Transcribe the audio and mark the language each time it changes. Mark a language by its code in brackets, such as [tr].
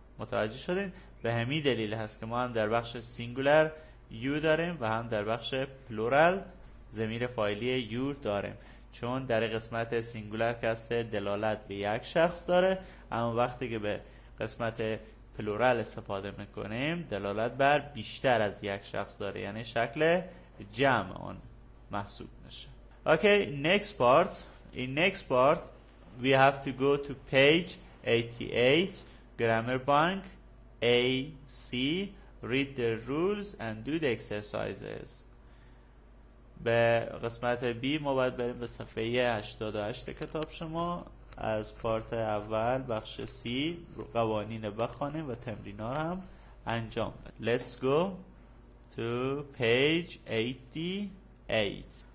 [fa] متوجه شدین؟ به همین دلیل هست که ما هم در بخش سینگولر یو داریم و هم در بخش پلورال ضمیر فاعلی یور داریم، چون در قسمت سینگولر کسته دلالت به یک شخص داره، اما وقتی که به قسمت پلورال استفاده میکنیم دلالت بر بیشتر از یک شخص داره، یعنی شکل جمع آن محسوب میشه. [en] Okay, next part. In next part we have to go to page 88 grammar bank AC, read the rules and do the exercises. [fa] به قسمت B ما باید بریم به صفحه 88 کتاب شما، از پارت اول بخش C قوانین بخوانیم و تمرینا هم انجام بدیم. [en] Let's go to page 88.